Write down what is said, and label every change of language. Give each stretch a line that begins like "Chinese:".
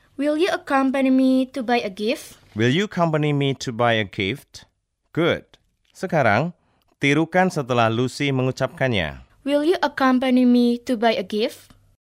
English: Will you accompany me to buy a gift? Will you accompany me to buy a gift? Good.
Indonesian: Sekarang, tirukan setelah Lucy mengucapkannya.
English: Will you accompany me to buy a gift?